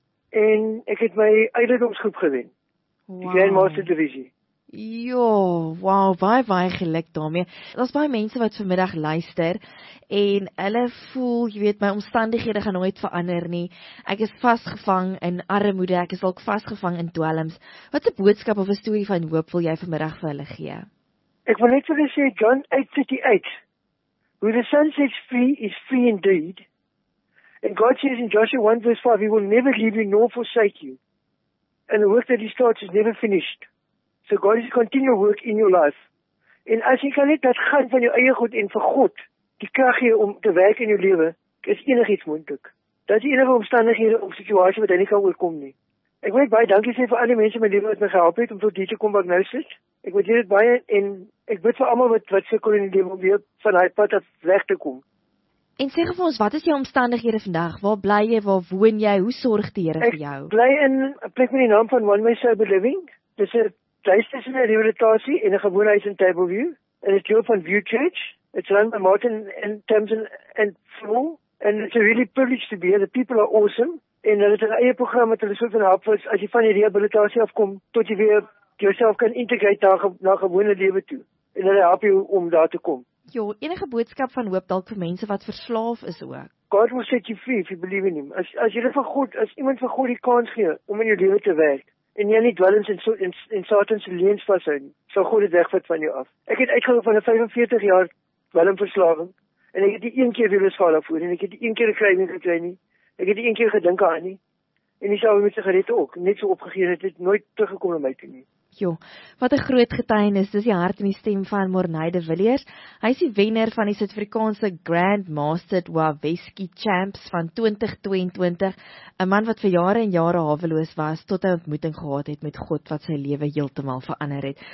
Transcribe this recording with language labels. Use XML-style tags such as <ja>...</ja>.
<af>En ek het my ouderdomsgroep gewen. Die Grandmaster Divisie. Jo, wow, baie, baie geluk daarmee. Daar's baie mense wat vanmiddag luister, en hulle voel, jy weet, my omstandighede gaan nooit verander nie. Ek is vasgevang in armoede, ek is ook vasgevang in dwelms. Wat 'n boodskap of 'n storie van hoop wil jy vanmiddag vir hulle gee? Ek wil net vir hulle sê,</af> <en>John 8:38, who the sun sets free is free indeed, and God says in Joshua 1:5, he will never leave you nor forsake you. And the work that he starts is never finished. So God is continue work in your life.</en> <af>En as jy kan net dat gaan van jou eie goed en vir God, die krag gee om te werk in jou lewe, is enigiets moontlik. Dat is enige omstandighede of situasie wat jy nie kan oorkom nie. Ek wil baie dankie sê vir al die mense in my lewe wat my gehelp het om tot hier te kom waar ek nou sit. Ek waardeer dit baie en ek bid vir almal wat sukkel in die lewe om weer van daai pad af weg te kom. En sê vir ons, wat is jou omstandighede vandag? Waar bly jy? Waar woon jy? Hoe sorg die Here vir jou? Ek bly in 'n plek met die naam van One Way Sober Living. Dis 'n huis tussen 'n rehabilitasie en 'n gewone huis in Tableview. En dit loop van View Church.</af> <en>It's run by Martin and Tamsin and Flo. And it's a really privilege to be here. The people are awesome.</en> <af>En hulle het 'n eie program wat hulle so van help vir as jy van die rehabilitasie afkom tot jy weer jouself kan integreer na gewone lewe toe. En hulle help jou om daar te kom. Jo, enige boodskap van hoop dalk vir mense wat verslaaf is ook.</af> <en>God will set you free if you believe in him.</en> <af>As jy vir God, as iemand vir God die kans gee om in jou lewe te werk en jy nie dwelms in Satan se leuns vashou nie, sal God dit wegvat van jou af. Ek het uitgeloop van 'n 45 jaar dwelmverslawing en ek het nie een keer weer geskaal daarvoor en ek het nie een keer 'n kruising gekry nie. Ek het nie een keer gedink aan nie. En dis al met sigarette ook, net so opgegee dat dit nooit teruggekom na my toe nie. Jo, wat 'n groot getuienis, dis die hart en die stem van Morne de Villiers. Hy is die wenner van die Suid-Afrikaanse Grandmaster Waweski Champs van 2022, 'n man wat vir jare en jare haweloos was, tot 'n ontmoeting gehad het met God wat sy lewe heeltemal verander het.</af>